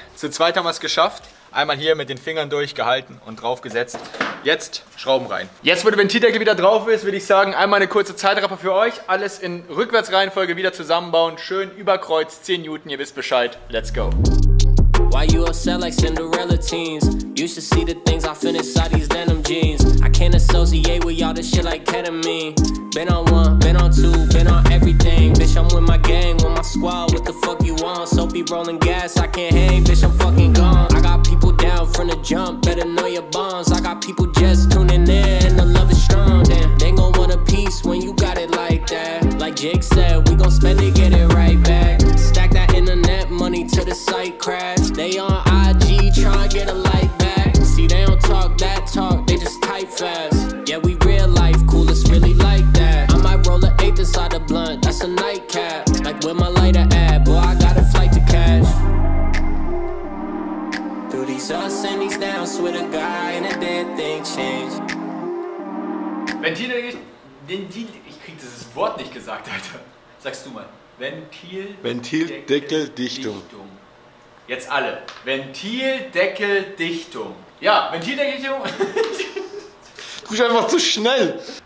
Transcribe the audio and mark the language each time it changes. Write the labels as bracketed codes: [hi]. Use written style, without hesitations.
[de] Zu zweit haben wir es geschafft. Einmal hier mit den Fingern durchgehalten und draufgesetzt. Jetzt Schrauben rein. Jetzt, wo der Ventildeckel wieder drauf ist, würde ich sagen, einmal eine kurze Zeitraffer für euch. Alles in Rückwärtsreihenfolge wieder zusammenbauen. Schön überkreuz, 10 Newton, ihr wisst Bescheid. [en] Let's go. Why you upset like Cinderella teens? You should see the things I finish out these denim jeans. I can't associate with y'all, this shit like ketamine. Been on one, been on two, been on everything. Bitch, I'm with my gang, with my squad, what the fuck you want? So be rolling gas, I can't hang, bitch, I'm fucking gone. I got people down from the jump, better know your bonds. I got people just tuning in, and the love is strong. Damn, they gon' want a piece when you got it like that. Like Jake said, we gon' spend it, get it right back. Stack that internet money till the site crash. They on IG, try to get a light back. See, they don't talk that talk, they just type fast. Yeah, we real life, cool, it's really like that. I might roll an eighth inside a blunt, that's a nightcap. Like, where my lighter at? Boy, I got a flight to catch. Through these ups and these downs with a guy and a dead thing change. [de] Ventildeckel, ich krieg dieses Wort nicht gesagt, Alter. Sagst du mal. Ventildeckeldichtung. Jetzt alle. Ventildeckeldichtung. Ja, Ventildeckeldichtung. Du bist einfach zu schnell.